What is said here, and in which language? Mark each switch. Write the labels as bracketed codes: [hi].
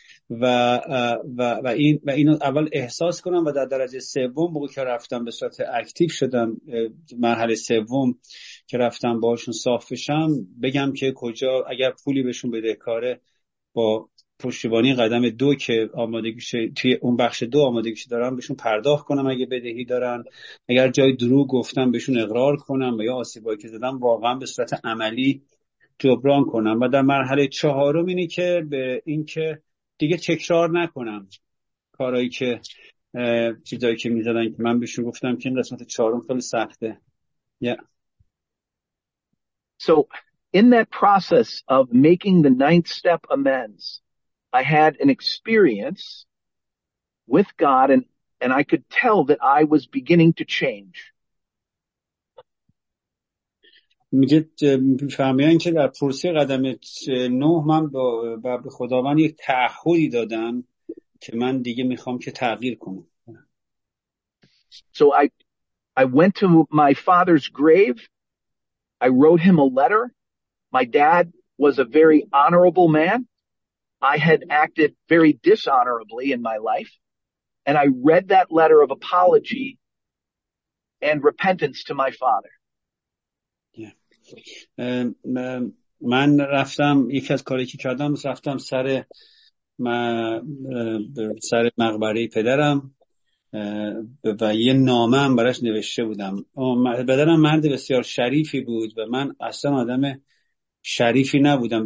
[fa] و اینو اول احساس کنم، و در درجه سوم بگو که رفتم به صورت اکتیف شدم، مرحله سوم که رفتم باهاشون صاف بشم، بگم که کجا اگر پولی بهشون بده کاره، با پشتیبانی قدم 2 که آمادگیش توی اون بخش 2 آمادگیش دارم، بهشون پرداخت کنم اگه بدهی دارن، اگر جای دروغ گفتم بهشون اقرار کنم و یا آسیبایی که زدم واقعا به صورت عملی جبران کنم. و در مرحله چهارم اینه که به این که دیگه تکرار نکنم کارهایی که چیزایی که میزدن که من بهشون گفتم، که این قسمت چهارم خیلی سخته. [en] So in that process of making the ninth step amends, I had an experience with God, and I could tell that I was beginning to change. [fa] می‌فهمیدم که در پروسه قدم 9 من به خداوند یک تعهدی دادم که من دیگه می‌خوام که تغییر کنم. [en] So I went to my father's grave. I wrote him a letter. My dad was a very honorable man. I had acted very dishonorably in my life, and I read that letter of apology and repentance to my father. Yeah. [fa] من رفتم، یکی از کاری که کردم، رفتم سر مقبره پدرم و یه نامه هم براش نوشته بودم. پدرم مرد بسیار شریفی بود و من اصلا آدم شریفی نبودم.